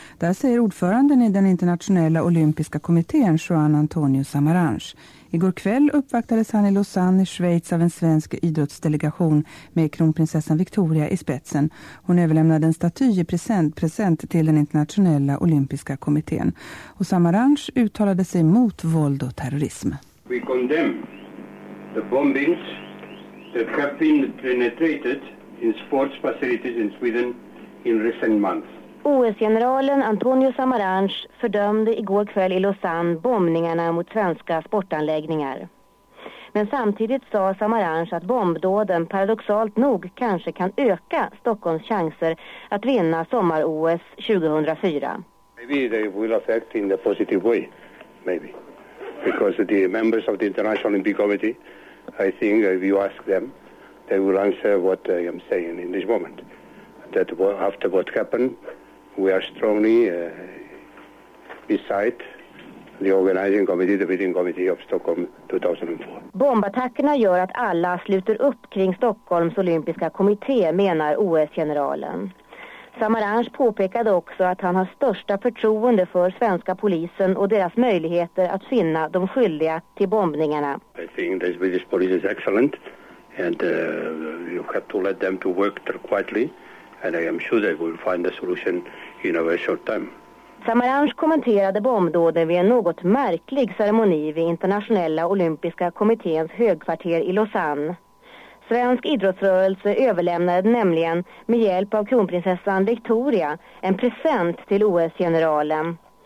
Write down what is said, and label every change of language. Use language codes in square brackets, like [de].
[sv] Där säger ordföranden i den internationella olympiska kommittén, Juan Antonio Samaranch. Igår kväll uppvaktades han i Lausanne i Schweiz av en svensk idrottsdelegation med kronprinsessan Victoria i spetsen. Hon överlämnade en staty i present till den internationella olympiska kommittén. Och Samaranch uttalade sig mot våld och terrorism. [en] We condemn the bombings that have been penetrated in sports facilities in Sweden in recent months. [sv] OS-generalen Antonio Samaranch fördömde igår kväll i Lausanne bombningarna mot svenska sportanläggningar. Men samtidigt sa Samaranch att bombdåden paradoxalt nog kanske kan öka Stockholms chanser att vinna sommar-OS 2004. [en] Maybe they will affect in a positive way, maybe. Because the members of the International Olympic Committee, I think if you ask them, they will answer what I am saying in this moment. That after what happened, we are strongly beside the organizing committee, the bidding committee of Stockholm 2004. [sv] Bombattackerna gör att alla sluter upp kring Stockholms olympiska kommitté, menar OS-generalen. Samaranch påpekade också att han har största förtroende för svenska polisen och deras möjligheter att finna de skyldiga till bombningarna. [en] I think the Swedish police is excellent and you have to let them to work quietly. And I am sure they will find a solution in a very short time. [sv] Samaranch kommenterade bombdåden vid en något märklig ceremoni vid Internationella olympiska kommitténs högkvarter i Lausanne. Svensk idrottsrörelse överlämnade nämligen med hjälp av kronprinsessan Victoria en present till OS-generalen.